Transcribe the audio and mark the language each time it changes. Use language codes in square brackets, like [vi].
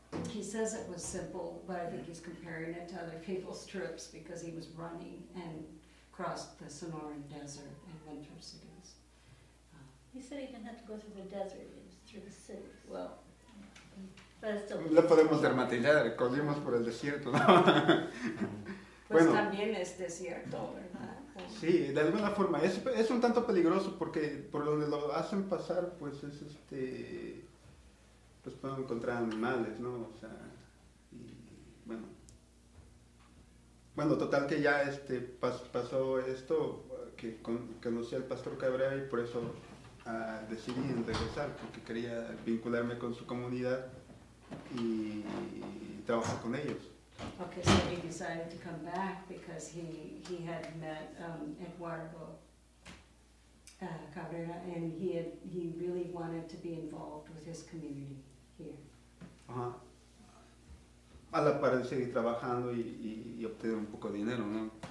[en] He says it was simple, but I think he's comparing it to other people's trips because he was running and crossed the Sonoran Desert and went through cities. He said he didn't have to go through the desert, it was through the cities. Well, but it's still... [es] Lo podemos dramatizar, corrimos por el desierto, ¿no? Pues también es desierto, ¿verdad? Sí, de alguna forma. Es un tanto peligroso porque por donde lo hacen pasar, pues es pues pueden encontrar animales, ¿no? O sea, y bueno, total que ya pasó esto, que conocí al pastor Cabrera y por eso decidí regresar, porque quería vincularme con su comunidad y trabajar con ellos. [en] Okay, so he decided to come back because he had met Eduardo Cabrera, and he really wanted to be involved with his community here. [es] A la par de seguir trabajando y obtener un poco de dinero, ¿no?